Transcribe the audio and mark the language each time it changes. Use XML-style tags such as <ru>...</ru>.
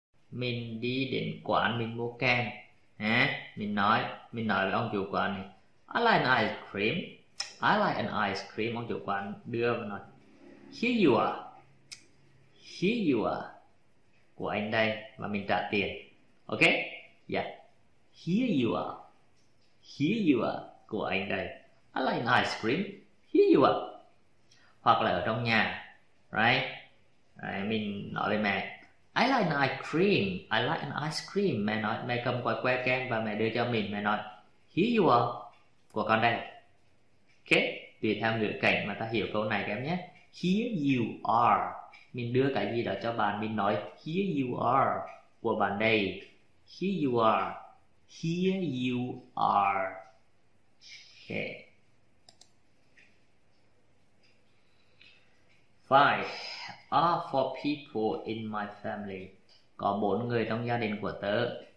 <vi>Mình đi đến quán mình mua kem. À, mình nói với ông chủ quán này,</vi> <en>I like an ice cream. I like an ice cream.</en> <vi>Ông chủ quán đưa và nói,</vi> <en>here you are, here you are,</en> <vi>của anh đây và mình trả tiền.</vi> <en>Ok, yeah, here you are, here you are,</en> <vi>của anh đây.</vi> <en>I like an ice cream, here you are.</en> <vi>Hoặc là ở trong nhà,</vi> <en>right? Right,</en> <vi>mình nói với mẹ,</vi> <en>I like an ice cream. I like an ice cream.</en> <vi>Mẹ nói, mẹ cầm quả que kem và mẹ đưa cho mình. Mẹ nói,</vi> <en>here you are.</en> <vi>Của con đây. Ok, tùy theo ngữ cảnh mà ta hiểu câu này các em nhé.</vi> <en>Here you are.</en> <vi>Mình đưa cái gì đó cho bạn. Mình nói,</vi> <en>here you are.</en> <vi>Của bạn đây.</vi> <en>Here you are. Here you are. Ok. Five. Are four people in my family.</en> <vi>Có bốn người trong gia đình của tớ.</vi>